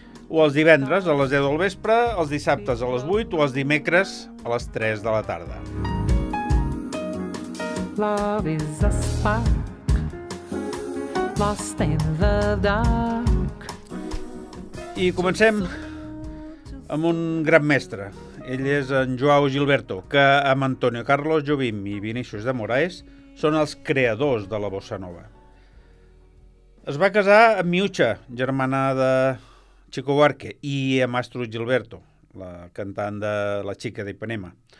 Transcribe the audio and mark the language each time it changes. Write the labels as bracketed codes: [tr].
[ca] O els divendres a les 10 del vespre, els dissabtes a les 8 o els dimecres a les 3 de la tarda. [en] Love is a spark, lost in the dark. [ca] I comencem amb un gran mestre. Ell és en Joao Gilberto, que amb Antonio Carlos Jobim i Vinícius de Moraes són els creadors de la bossa nova. Es va casar amb Miúcha, germana de Chico Buarque, i amb Astrid Gilberto, la cantant de La Chica d'Ipanema.